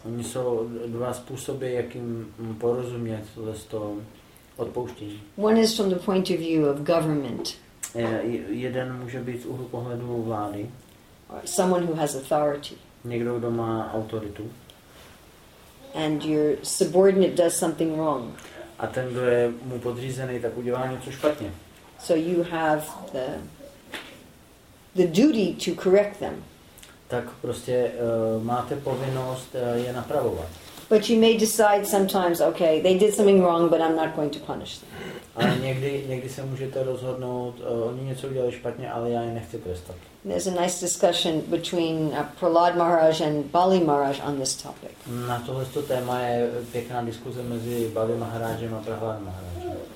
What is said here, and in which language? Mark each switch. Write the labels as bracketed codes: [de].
[cs] Oni jsou dva způsoby, jakým porozumět tohle s to odpouštění. [en] One is from the point of view of government. [cs] Jeden může být z úhlu pohledu vlády. [en] Someone who has authority. [cs] Někdo, kdo má autoritu. [en] And your subordinate does something wrong. [cs] A ten, kdo je mu podřízený, tak udělá něco špatně. [en] So you have the duty to correct them. [cs] Tak prostě máte povinnost je napravovat. [en] But you may decide sometimes, okay, they did something wrong, but I'm not going to punish them. [cs] Ale někdy se můžete rozhodnout, oni něco udělali špatně, ale já je nechci trestat. [en] There's a nice discussion between Prahlad Maharaj and Bali Maharaj on this topic. [cs] Na tohleto téma je pěkná diskuze mezi Bali Maharajem a Prahlad Maharajem.